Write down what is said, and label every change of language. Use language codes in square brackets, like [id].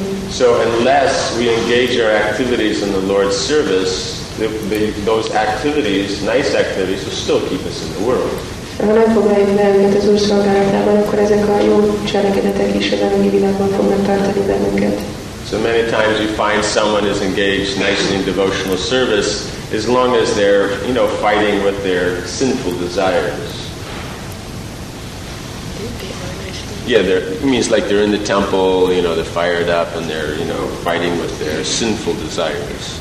[en] So unless we engage our activities in the Lord's service, those activities, nice activities, will still keep us in the world. [hu] Ha nem foglaljuk le őket az Úr szolgálatában, akkor ezek a jó cselekedetek is az anyagi világban fognak tartani bennünket. [en] So many times you find someone is engaged nicely in devotional service, as long as they're, you know, fighting with their sinful desires. Yeah, it means like they're in the temple, you know, they're fired up and they're, you know, fighting with their sinful desires.